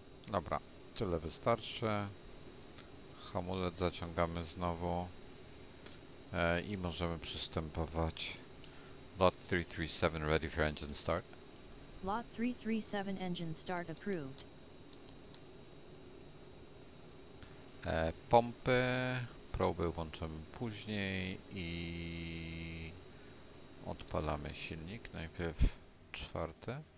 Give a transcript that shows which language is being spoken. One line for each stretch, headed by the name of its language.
Polish: Dobra, tyle wystarczy. Hamulec zaciągamy znowu i możemy przystępować.
English: Lot 337 ready for engine start. Lot 337 engine start approved.
Polish: Pompy, próby włączymy później i odpalamy silnik. Najpierw czwarty.